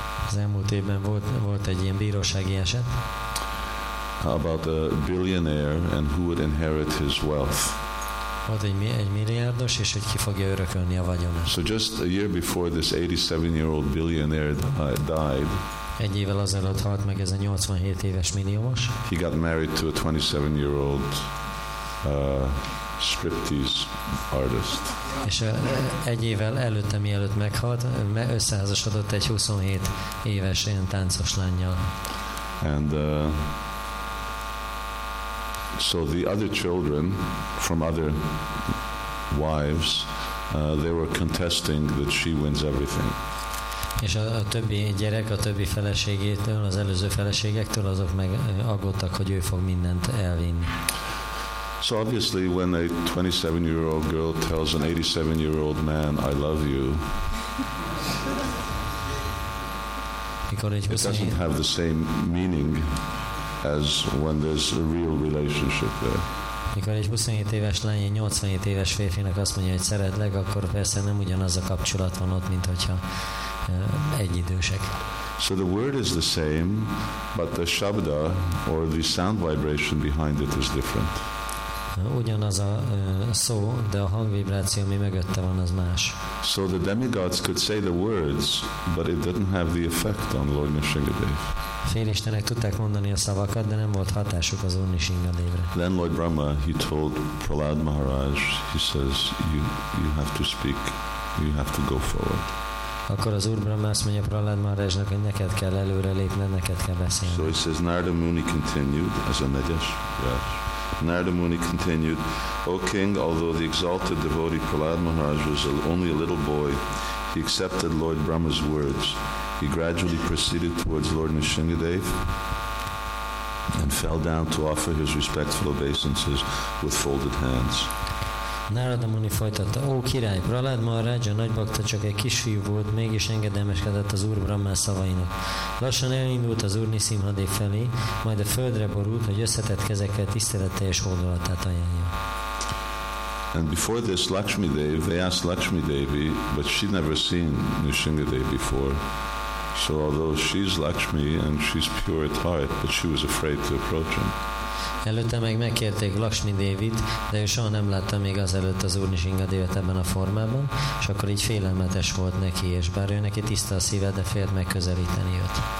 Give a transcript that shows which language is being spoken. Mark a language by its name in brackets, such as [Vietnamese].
[Hungarian] Az elmúlt évben volt egy ilyen bírósági eset. [English] About a billionaire and who would inherit his wealth. [Hungarian] Volt egy milliárdos, és hogy ki fogja örökölni a vagyonát. [English] So just a year before this 87-year-old billionaire died. [Hungarian] Egy évvel azelőtt halt meg ez a 87 éves milliómos. [English] He got married to a 27-year-old striptease artist. [Hungarian] És egy évvel előtte, mielőtt meghalt, összeházasodott egy 27 éves ilyen táncos lánnyal. [English] And so the other children from other wives, they were contesting that she wins everything. [Hungarian] És a többi gyerek a többi feleségétől, az előző feleségektől, azok meg aggódtak, hogy ő fog mindent elvinni. [English] So obviously when a 27-year-old girl tells an 87-year-old man, I love you, [Hungarian] mikor egy 27... [English] it doesn't have the same meaning as when there's a real relationship there. [Hungarian] Mikor egy 27 éves lány egy 87 éves férfinak azt mondja, hogy szeretlek, akkor persze nem ugyanaz a kapcsolat van ott, mint hogyha egyidősek. [English] So the word is the same, but the shabda or the sound vibration behind it is different. [Hungarian] Ugyanaz a szó, de a hangvibráció, ami mögötte van, az más. [English] So the demigods could say the words, but it didn't have the effect on Lord Nrisimhadev. [Hungarian] Félistenek tudták mondani a szavakat, de nem volt hatásuk az Úr Nrisimhadevre. [English] Then Lord Brahma, he told Prahlad Maharaj, he says, you have to speak, you have to go forward. [Hungarian] Akkor az Úr Brahma azt mondja Prahlad Maharajnak, hogy neked kell előre lépni, neked kell beszélni. [English] So he says, Narada Muni continued as a negyes rás. Narada Muni continued, O King, although the exalted devotee Prahlad Maharaj was only a little boy, he accepted Lord Brahma's words. He gradually proceeded towards Lord Nrisimhadev and fell down to offer his respectful obeisances with folded hands. [Hungarian] Narada Muni folytatta, Ó király, Prahlad Maharaj, a nagy bakta csak egy kisfiú volt, mégis engedelmeskedett az Úr Brahma szavainak. Lassan elindult az Úr Nrisimhadev felé, majd a földre borult, hogy összetett kezekkel tiszteletteljes hódolatát ajánlja. [English] And before this, Lakshmi Devi, they asked Lakshmi Devi, but she'd never seen Nrisimhadev before. So although she's Lakshmi and she's pure at heart, but she was afraid to approach him. [Hungarian] Előtte meg megkérték Lakshmi Devit, de ő soha nem látta még azelőtt az Úr Nrisimhadevet ebben a formában, és akkor így félelmetes volt neki, és bár ő neki tiszta a szíve, de félt megközelíteni őt.